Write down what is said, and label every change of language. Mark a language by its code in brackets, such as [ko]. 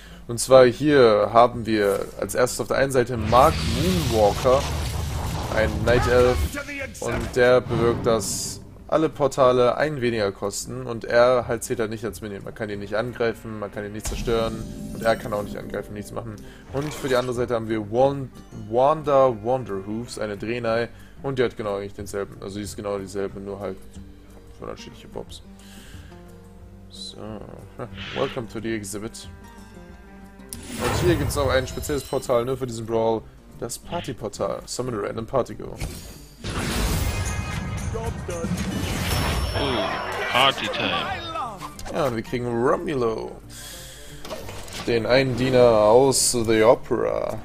[de] Und zwar hier haben wir als erstes auf der einen Seite Mark Moonwalker, ein Night Elf, und der bewirkt, dass alle Portale ein weniger kosten und er halt zählt halt nicht als Minion. Man kann ihn nicht angreifen, man kann ihn nicht zerstören und er kann auch nicht angreifen, nichts machen. Und für die andere Seite haben wir Wanda Wanderhoofs, eine Drehnei. Und die hat genau eigentlich denselben, also die ist genau dieselbe, nur halt unterschiedliche Bobs. [en] So, welcome to the exhibit. [de] Und hier gibt es auch ein spezielles Portal nur für diesen Brawl, das Partyportal. [en] Summon a random Party Girl. Oh, Party Time. [de] Ja, und wir kriegen Romulo. Den einen Diener aus The Opera.